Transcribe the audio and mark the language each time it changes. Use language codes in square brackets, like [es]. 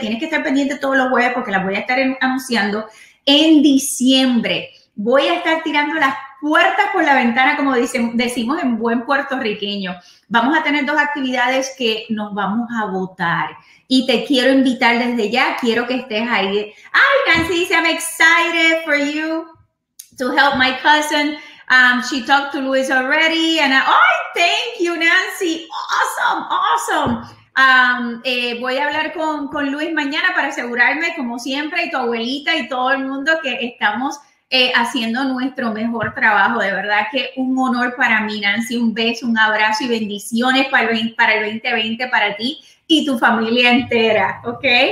[es] Tienes que estar pendiente todos los jueves porque las voy a estar anunciando. En diciembre voy a estar tirando las puertas por la ventana, como decimos en buen puertorriqueño. Vamos a tener 2 actividades que nos vamos a votar. Y te quiero invitar desde ya. Quiero que estés ahí. Ay, Nancy dice, [en] I'm excited for you to help my cousin. She talked to Luis already. And oh, thank you, Nancy. Awesome, awesome. [es] Voy a hablar con Luis mañana para asegurarme, como siempre, y tu abuelita y todo el mundo que estamos haciendo nuestro mejor trabajo. De verdad que un honor para mí, Nancy. Un beso, un abrazo y bendiciones para el 2020 para ti y tu familia entera, ¿ok?